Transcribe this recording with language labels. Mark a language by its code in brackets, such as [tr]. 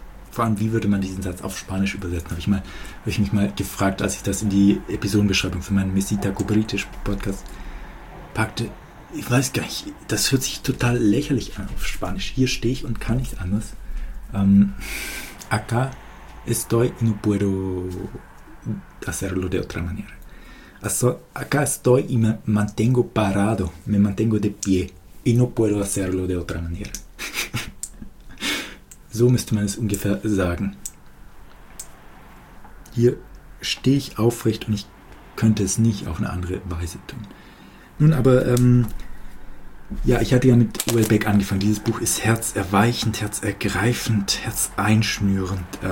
[de] Vor allem, wie würde man diesen Satz auf Spanisch übersetzen? Habe ich mich mal gefragt, als ich das in die Episodenbeschreibung für meinen Mesita Cubritisch Podcast packte. Ich weiß gar nicht, das hört sich total lächerlich an auf Spanisch. Hier stehe ich und kann nicht anders. [es] Acá estoy y no puedo hacerlo de otra manera. Acá estoy y me mantengo parado, me mantengo de pie y no puedo hacerlo de otra manera. [de] So müsste man es ungefähr sagen. Hier stehe ich aufrecht und ich könnte es nicht auf eine andere Weise tun. Nun aber, ja, ich hatte ja mit Wellbeck angefangen. Dieses Buch ist herzerweichend, herzergreifend, herzeinschnürend.